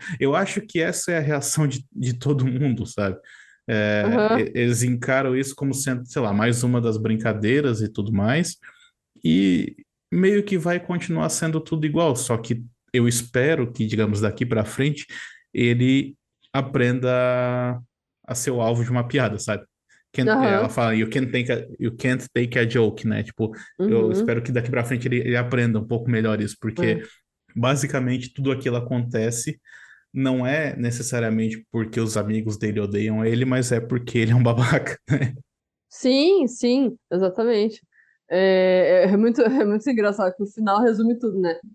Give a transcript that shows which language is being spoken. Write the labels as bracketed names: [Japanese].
[Portuguese] Eu acho que essa é a reação de todo mundo, sabe? É, eles encaram isso como sendo, sei lá, mais uma das brincadeiras e tudo mais. E meio que vai continuar sendo tudo igual. Só que eu espero que, digamos, daqui pra frente, ele aprenda a ser o alvo de uma piada, sabe? Ela fala: [English] you can't take a joke, [Portuguese] né? Tipo. Eu espero que daqui para frente ele aprenda um pouco melhor isso, porque basicamente tudo aquilo acontece não é necessariamente porque os amigos dele odeiam ele, mas é porque ele é um babaca, né? Sim, exatamente. É muito engraçado que o final resume tudo, né?